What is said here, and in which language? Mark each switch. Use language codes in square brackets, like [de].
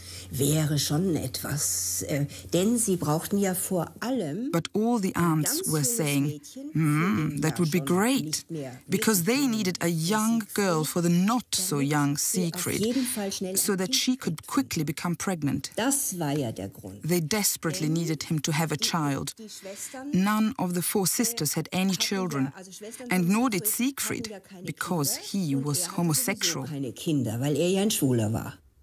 [de] Wäre schon etwas, denn sie brauchten ja vor allem. [en] But all the aunts were saying, that would be great, because they needed a young girl for the not so young Siegfried, so that she could quickly become pregnant. [de] Das war ja der Grund. [en] They desperately needed him to have a child. None of the four sisters had any children, and nor did Siegfried, because he was homosexual. [de] Keine Kinder, weil er ja ein Schwuler war.